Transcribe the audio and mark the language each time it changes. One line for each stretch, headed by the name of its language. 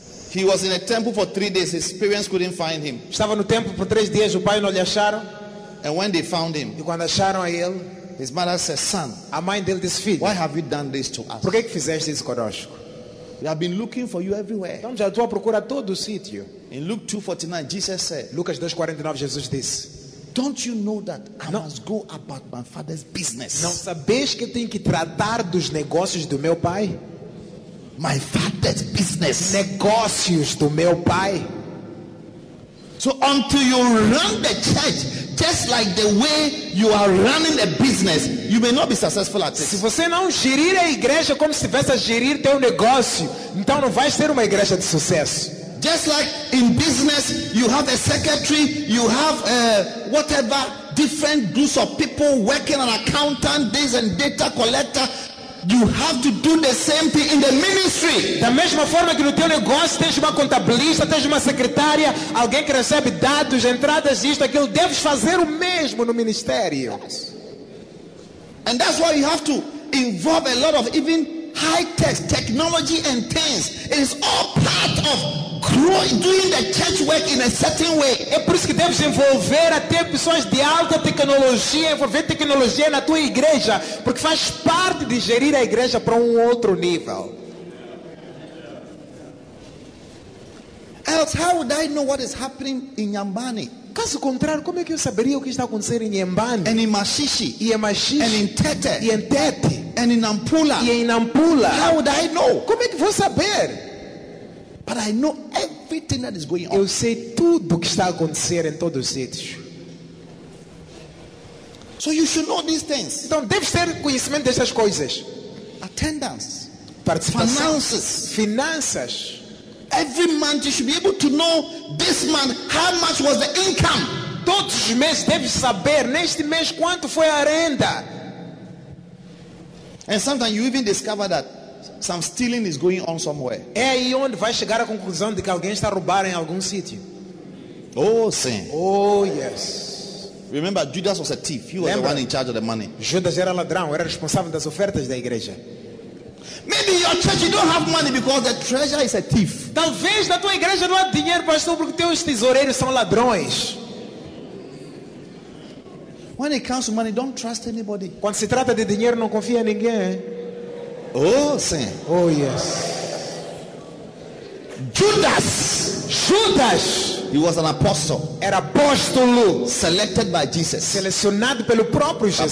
English: he was in a temple for 3 days, his parents couldn't find him.
Portuguese: Estava no templo por 3 dias, o pai não lhe acharam.
English: And when they found him,
Portuguese: e quando acharam a ele,
English: his mother says, son,
Portuguese: a mãe dele disse, filho,
English: why have you done this to us?
Portuguese: Por que fizeste isso conosco?
English: We have been looking for you everywhere.
Portuguese: Estamos à tua procura todo o sítio.
English: In Luke 2:49, Jesus said,
Portuguese: Lucas 2:49, Jesus disse,
English: don't you know that I must go about my father's business?
Portuguese: Não sabes que tenho que tratar dos negócios do meu pai?
English: My father's business.
Portuguese: Negócios do meu pai.
English: So until you run the church just like the way you are running a business, you may not be successful at it.
Portuguese: Se você não gerir a igreja como se estivesse a gerir teu negócio, então não vais ter uma igreja de sucesso.
English: Just like in business, you have a secretary, you have whatever, different groups of people working, an accountant, this and data collector. You have to do the same thing in the ministry.
Portuguese: Da mesma forma que no teu negócio tens uma contabilista, tens uma secretária, alguém que recebe dados, entradas, isto, aquilo, deves fazer o mesmo no ministério.
English: Yes. And that's why you have to involve a lot of even high-tech technology and things. It's all part of doing the church work in a certain way.
Portuguese: É por isso que deves envolver até pessoas de alta tecnologia, envolver tecnologia na tua igreja, porque faz parte de gerir a igreja para outro nível.
English: Else, how would I know what is happening in Nyambane?
Portuguese: Caso contrário, como é que eu saberia o que está acontecendo em Nyambane?
English: And in Mashishi.
Portuguese: E em Mashishi.
English: And in Tete.
Portuguese: E em Tete.
English: And in Nampula.
Portuguese: E em Nampula.
English: How would I know?
Portuguese: Como é que vou saber?
English: But I know everything that is going on.
Portuguese: Eu sei tudo o que está a acontecer em todos os sítios.
English: So you should know these things.
Portuguese: Então deves ter conhecimento dessas coisas.
English: Attendance.
Portuguese: Participação.
English: Finances.
Portuguese: Finanças.
English: Every month you should be able to know this month how much was the income.
Portuguese: Todos os meses deves saber neste mês quanto foi a renda.
English: And sometimes you even discover that some stealing is going on somewhere.
Portuguese: É aí onde vai chegar a conclusão de que alguém está a roubar em algum sítio. Oh, sim.
English: Oh, yes. Remember, Judas was a thief. He was the one in charge of the money.
Portuguese: Judas era ladrão, era responsável das ofertas da igreja.
English: Maybe your church you don't have money because the treasurer is a thief.
Portuguese: Talvez na tua igreja não há dinheiro, pastor, porque teus tesoureiros são ladrões.
English: When it comes to money, don't trust anybody.
Portuguese: Quando se trata de dinheiro, não confia em ninguém. Oh, sim.
English: Oh, yes. Judas.
Portuguese: Judas.
English: He was an apostle.
Portuguese: Era apóstolo.
English: Selected by Jesus.
Portuguese: Selecionado pelo próprio Jesus.